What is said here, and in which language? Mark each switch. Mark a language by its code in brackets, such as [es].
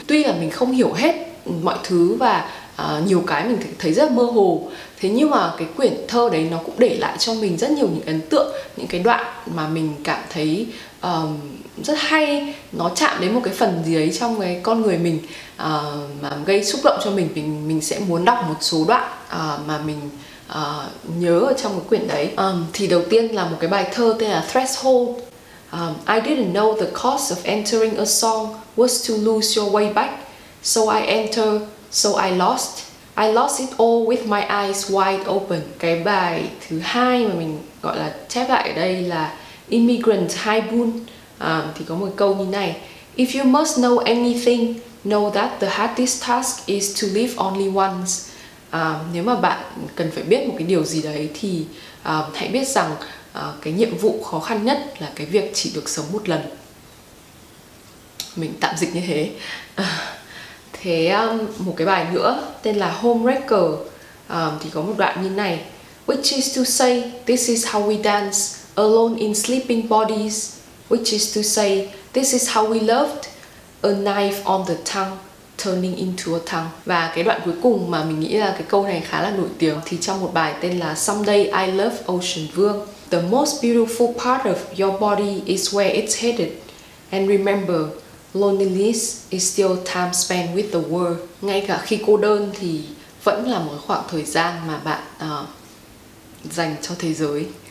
[vi] Tuy là mình không hiểu hết mọi thứ và nhiều cái mình thấy rất mơ hồ, thế nhưng mà cái quyển thơ đấy nó cũng để lại cho mình rất nhiều những ấn tượng, những cái đoạn mà mình cảm thấy rất hay, nó chạm đến một cái phần gì đấy trong cái con người mình mà gây xúc động cho mình. Mình sẽ muốn đọc một số đoạn mà mình nhớ ở trong cái quyển đấy. Thì đầu tiên là một cái bài thơ tên là Threshold. [en] I didn't know the cost of entering a song was to lose your way back, so I enter, so I lost it all with my eyes wide open. [vi] Cái bài thứ hai mà mình gọi là chép lại ở đây là Immigrant High Boon. Thì có một câu như này: [en] If you must know anything, know that the hardest task is to live only once. [vi] Nếu mà bạn cần phải biết một cái điều gì đấy thì hãy biết rằng cái nhiệm vụ khó khăn nhất là cái việc chỉ được sống một lần. Mình tạm dịch như thế. Thế một cái bài nữa tên là Homewrecker. Thì có một đoạn như này: [en] Which is to say, this is how we dance, alone in sleeping bodies. Which is to say, this is how we loved, a knife on the tongue turning into a tongue. [vi] Và cái đoạn cuối cùng mà mình nghĩ là cái câu này khá là nổi tiếng thì trong một bài tên là Someday I Love Ocean Vương: [en] The most beautiful part of your body is where it's headed, and remember, loneliness is still time spent with the world. [vi] Ngay cả khi cô đơn thì vẫn là một khoảng thời gian mà bạn dành cho thế giới.